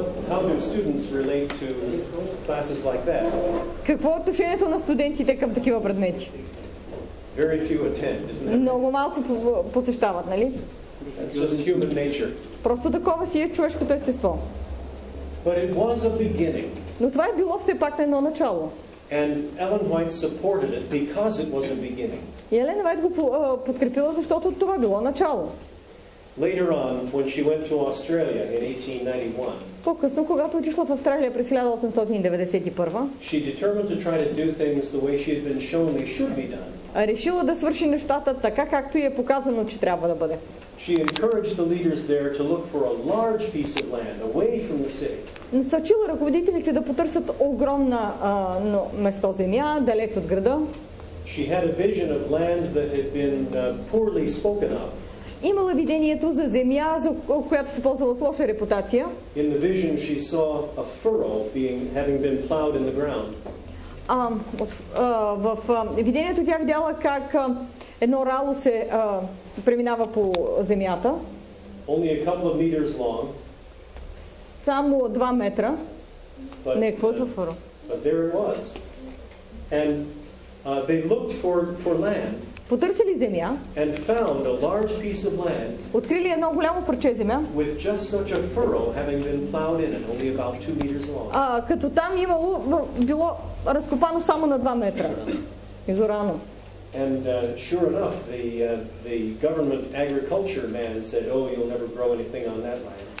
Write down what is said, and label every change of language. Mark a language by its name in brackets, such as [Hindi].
[English] How do students relate to classes like that? [Bulgarian] Какво е отношението на студентите към такива предмети? [English] Very few attend, isn't it? [Bulgarian] Много малко посещават, нали? [English] It's just human nature. [Bulgarian] Просто такова си е човешкото естество. [English] But it was a beginning. [Bulgarian] Но това е било все пак на едно начало. [English] And Ellen White supported it because it was a beginning. [Bulgarian] И Елена Уайт го подкрепила, защото това било начало. [English] Later on, when she went to Australia in 1891. [Bulgarian] По-късно, когато отишла в Австралия през 1891. [English] She determined to try to do things the way she had been shown they should be done. [Bulgarian] Решила да свърши нещата така, както ѝ е показано, че трябва да бъде. [English] She encouraged the leaders there to look for a large piece of land away from the city. [Bulgarian] Насочила ръководителите да потърсят огромна място земя далеч от града. [English] She had a vision of land that had been poorly spoken of. [Bulgarian] Имала видението за земя, за която се ползвала с лоша репутация. [English] In the vision she saw a furrow having been plowed in the ground. [Bulgarian] В видението тя видяла как едно рало се преминава по земята. [English] Only a couple of meters long. [Bulgarian] Само 2 метра. Не, какво е фуро? [English] But there it was. And they looked for land. [Bulgarian] Потърсили земя. [English] And found a large piece of land. [Bulgarian] Открили едно голямо парче земя. [English] With just such a furrow having been plowed in it, only about 2 meters long. [Bulgarian] Като там имало било разкопано само на 2 метра. Изорано. [English] And sure enough, the government agriculture man said, "Oh, you'll never grow anything on that land."